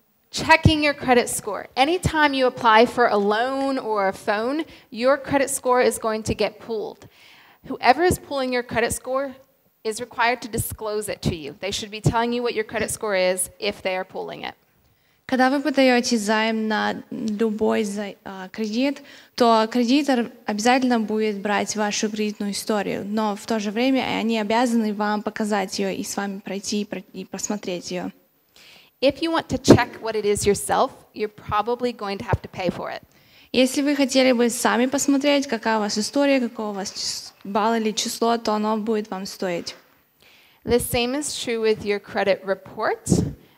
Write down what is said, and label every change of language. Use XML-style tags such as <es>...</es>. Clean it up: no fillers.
<en>Checking your credit score. Anytime you apply for a loan or a phone, your credit score is going to get pulled. Whoever is pulling your credit score is required to disclose it to you. They should be telling you what your credit score is if they are pulling it.</en> <ru>Когда вы подаете займ на любой кредит, то кредитор обязательно будет брать вашу кредитную историю, но в то же время они обязаны вам показать ее и с вами пройти и просмотреть ее.</ru> <en>If you want to check what it is yourself, you're probably going to have to pay for it.</en> <ru>Если вы хотели бы сами посмотреть, какая у вас история, какой у вас балл или число, то оно будет вам стоить.</ru> <en>The same is true with your credit report.</en>